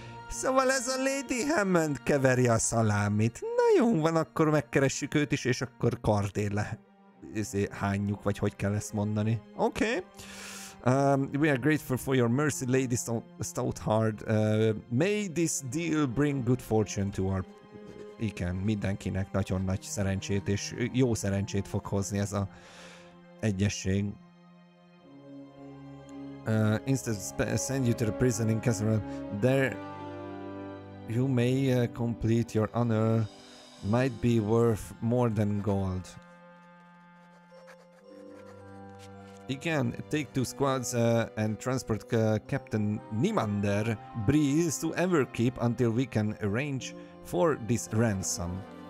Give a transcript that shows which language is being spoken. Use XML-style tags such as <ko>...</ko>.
<hu>Szóval ez a Lady Hammond keveri a szalámit. Na jó, van, akkor megkeressük őt is, és akkor kardéle hányjuk, vagy hogy kell ezt mondani. Oké.</hu> <en>We are grateful for your mercy, Lady Stoutheart. May this deal bring good fortune to our...</en> <hu>Igen, mindenkinek nagyon nagy szerencsét, és jó szerencsét fog hozni ez a egyesség.</hu> <en>Instead send you to the prison in Casarone. There you may complete your honor. Might be worth more than gold. Again, take two squads and transport Captain Nimander Breeze to Everkeep until we can arrange for this ransom.</en>